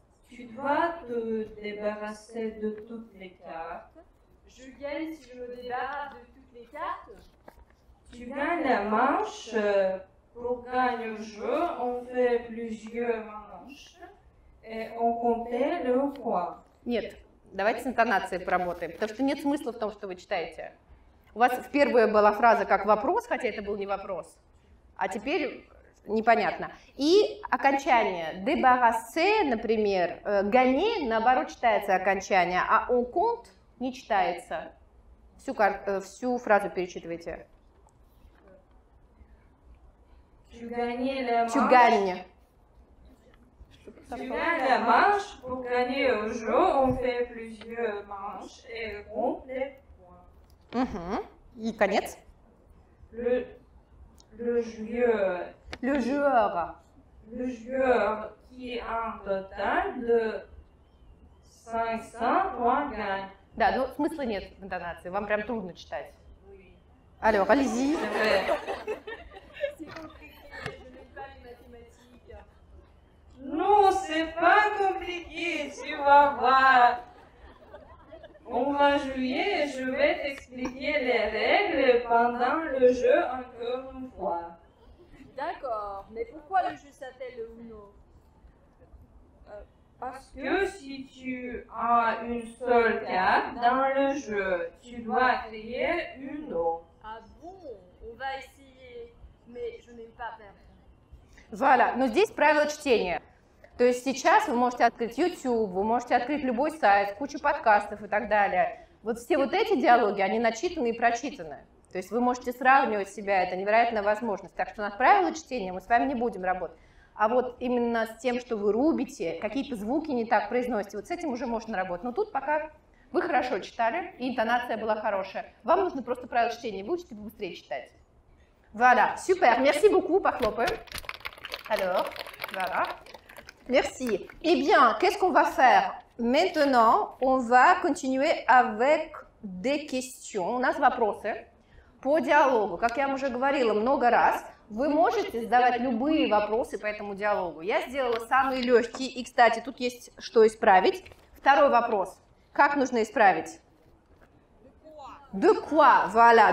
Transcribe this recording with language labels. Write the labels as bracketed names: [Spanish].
[French] Tu dois te débarrasser de toutes les cartes. Je gagne si je me débarrasse de toutes les cartes. Tu gagnes la manche. Pour gagner le jeu, on fait plusieurs manches et on compte le point. [Russian] Нет, давайте с интонацией поработаем, потому что нет смысла в том, что вы читаете. У вас первая была фраза как вопрос, хотя это был не вопрос, а теперь непонятно. И окончание. Débarrasser, например, gagner, наоборот, читается окончание, а on compte не читается. Всю фразу перечитывайте. [French] Tu gagnes la manche. Tu gagnes la manche, pour gagner le jeu, on fait plusieurs manches et compte les points. [Russian] Угу. И конец. [French] Le joueur qui a un total de 500 points gagne. [Russian] Да, ну смысла нет в интонации, вам прям трудно читать. [French] Alors, allez-y. Ну, c'est pas compliqué, tu vas voir. On va jouer et je vais t'expliquer les règles pendant le jeu encore une fois. D'accord, mais pourquoi le jeu s'appelle Uno? Parce que si tu as une seule carte dans le jeu, tu dois créer Uno. Ah bon, on va essayer, mais je n'aime pas perdre. [Russian] Voilà, но здесь правила чтения. То есть сейчас вы можете открыть YouTube, вы можете открыть любой сайт, кучу подкастов и так далее. Вот все вот эти диалоги, они начитаны и прочитаны. То есть вы можете сравнивать себя, это невероятная возможность. Так что над правилами чтения мы с вами не будем работать. А вот именно с тем, что вы рубите, какие-то звуки не так произносите, вот с этим уже можно работать. Но тут пока вы хорошо читали, и интонация была хорошая. Вам нужно просто правила чтения, вы учите быстрее читать. [French] Voilà, super, merci beaucoup, похлопаем. Alors, voilà. Merci. Eh bien, qu'est-ce qu'on va faire? Maintenant, on va continuer avec des questions. [Russian] У нас вопросы по диалогу. Как я вам уже говорила много раз, вы можете задавать любые вопросы по этому диалогу. Я сделала самые легкие. И, кстати, тут есть что исправить. Второй вопрос. Как нужно исправить? [French] De quoi? [Russian] Voilà.